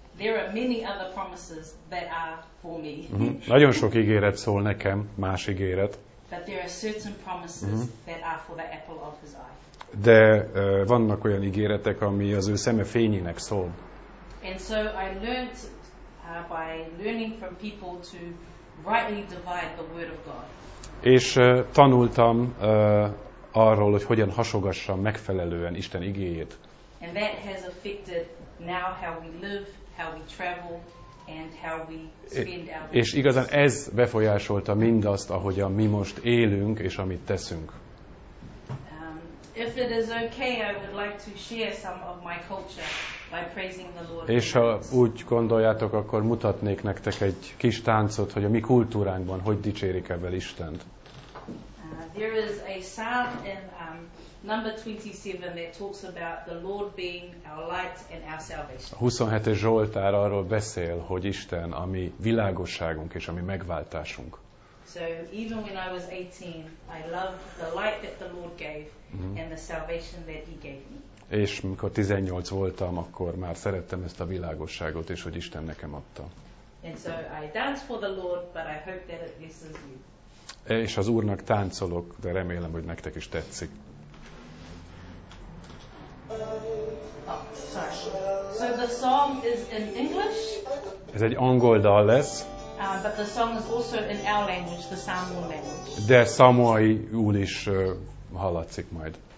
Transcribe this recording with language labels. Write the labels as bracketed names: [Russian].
[English] There are many other promises that are for me. [Hungarian] Nagyon sok ígéret szól nekem, más ígéret. [English] But there are certain promises that are for the apple of his eye. [Hungarian] De vannak olyan ígéretek, ami az ő szeme fényének szól. [English] And so I learned by learning from people to rightly divide the word of God. [Hungarian] És tanultam arról, hogy hogyan hasogassam megfelelően Isten igéjét. [English] And that has affected now how we live, how we travel. And how we spend our lives. [Hungarian] És igazán ez befolyásolta mindazt, ahogyan mi most élünk és amit teszünk. [English] If it is okay, I would like to share some of my culture by praising the Lord. [Hungarian] És ha úgy gondoljátok, akkor mutatnék nektek egy kis táncot, hogy a mi kultúránkban hogy dicsérik ebben Istent. [English] There is a psalm in number 27 that talks about the Lord being our light and our salvation. [Hungarian] A 27. Zsoltár arról beszél, hogy Isten a mi világosságunk és a mi megváltásunk. [English] So even when I was 18, I loved the light that the Lord gave and the salvation that he gave me. [Hungarian] És mikor 18 voltam, akkor már szerettem ezt a világosságot, és hogy Isten nekem adta. [English] And so I dance for the Lord, but I hope that it blesses you. [Hungarian] És az Úrnak táncolok, de remélem, hogy nektek is tetszik. [English] So the song is in English. [Hungarian] Ez egy angol dal lesz. [English] But the song is also in our language, the Samoan language. [Hungarian] De szamoaiul is hallatszik majd.